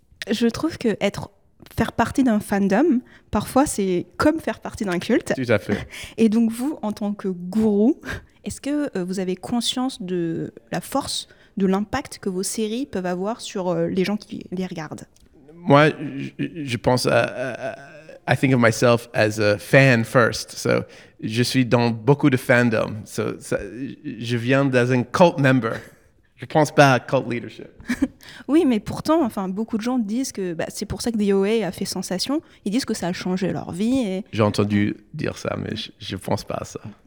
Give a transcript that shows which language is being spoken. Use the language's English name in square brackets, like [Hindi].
[French] Je trouve que faire partie d'un fandom, parfois c'est comme faire partie d'un culte. Tout à fait. Et donc vous, en tant que gourou, est-ce que vous avez conscience de la force, de l'impact que vos séries peuvent avoir sur les gens qui les regardent? Moi, je pense, [English] I think of myself as a fan first. [French] So, je suis dans beaucoup de fandom. So, je viens d'être un cult member. Je ne pense pas à cult leadership. Oui, mais pourtant, enfin, beaucoup de gens disent que c'est pour ça que The OA a fait sensation. Ils disent que ça a changé leur vie. Et... J'ai entendu dire ça, mais je ne pense pas à ça.